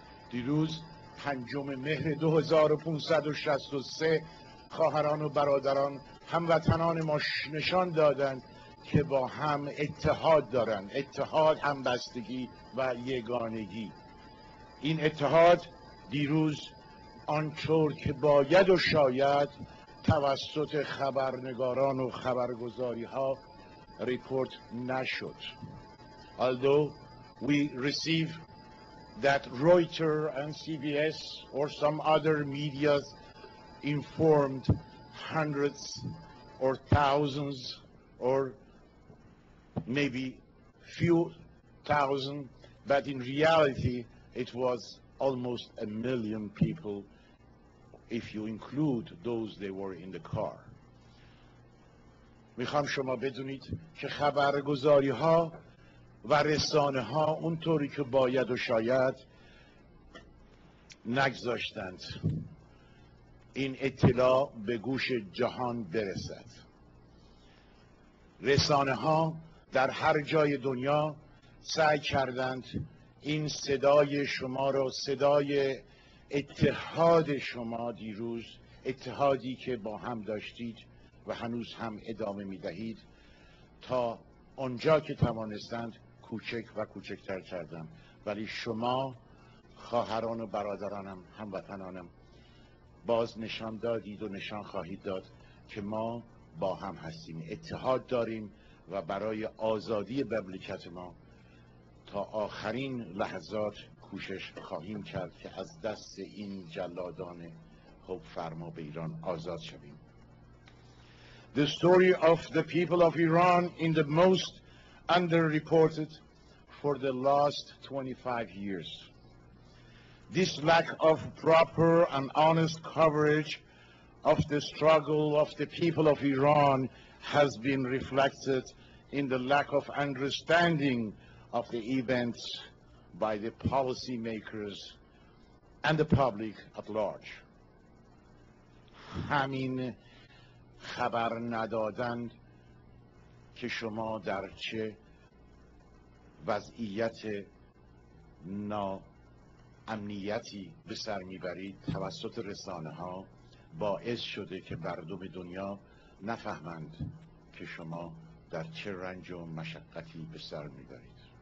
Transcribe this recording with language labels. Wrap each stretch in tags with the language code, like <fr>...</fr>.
<fa>دیروز 5 مهر 2563 خواهران و برادران هموطنان ما نشان دادند که با هم اتحاد دارند، اتحاد، همبستگی و یگانگی. این اتحاد دیروز آنطور که باید و شاید توسط خبرنگاران و خبرگزاری ها ریپورت نشد.</fa> <en>Although we receive that Reuters and CBS or some other medias informed hundreds or thousands or maybe few thousand, but in reality it was almost 1 million people if you include those they were in the car.</en> <fa>میخوام شما بدونید که خبرگزاری ها و رسانه ها اونطوری که باید و شاید نگذاشتند این اطلاع به گوش جهان برسد. رسانه ها در هر جای دنیا سعی کردند این صدای شما را، صدای اتحاد شما دیروز، اتحادی که با هم داشتید و هنوز هم ادامه می دهید، تا آنجا که توانستند کوچک و کوچکتر کردم. ولی شما خواهران و برادرانم، هموطنانم، باز نشان دادید و نشان خواهید داد که ما با هم هستیم، اتحاد داریم و برای آزادی مملکت ما تا آخرین لحظات کوشش خواهیم کرد که از دست این جلادان حب فرما به ایران آزاد شویم.</fa> <en>The story of the people of Iran in the most underreported for the last 25 years. This lack of proper and honest coverage of the struggle of the people of Iran has been reflected in the lack of understanding of the events by the policy makers and the public at large.</en> <fa>همین خبر ندادند که شما در چه وضعیت ناامنیتی به سر میبرید توسط رسانه ها باعث شده که مردم دنیا نفهمند که شما در چه رنج و مشقتی به سر میبرید.</fa>